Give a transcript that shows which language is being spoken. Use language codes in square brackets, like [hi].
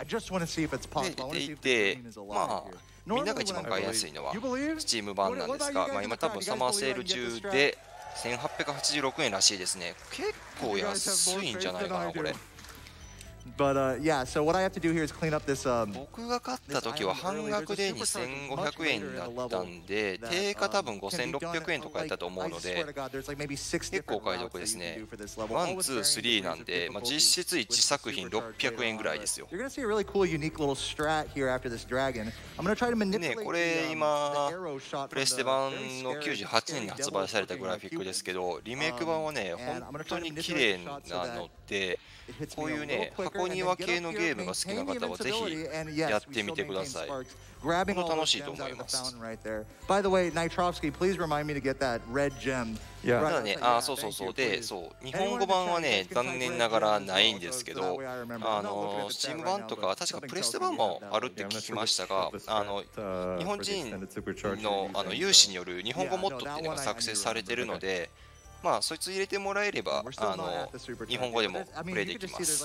[ja] で、まあみんなが一番買いやすいのはスチーム版なんですが、まあ今多分サマーセール中で1886円らしいですね。結構安いんじゃないかなこれ。 [en] But yeah, so what I have to do here is clean up this. [ja] 僕が買った時は半額で2500円だったんで、定価多分5600円とかやったと思うので、結構お買い得ですね。ワン、ツー、スリーなんで、まあ、実質1作品600円ぐらいですよ。ね、これ今、プレステ版の98年に発売されたグラフィックですけど、リメイク版はね、本当に綺麗なので、こういうね、箱庭系のゲームが好きな方はぜひやってみてください。本当楽しいと思います。 [en] By the way, Nitrovsky, please remind me to get that red gem. [ja] ただね、あ、そうそうそう。で、そう、日本語版はね、残念ながらないんですけど、Steam 版とか、確かプレステ版もあるって聞きましたが、日本人の、有志による日本語モッドっていうのが作成されてるので、まあ、そいつ入れてもらえれば、日本語でもプレイできます。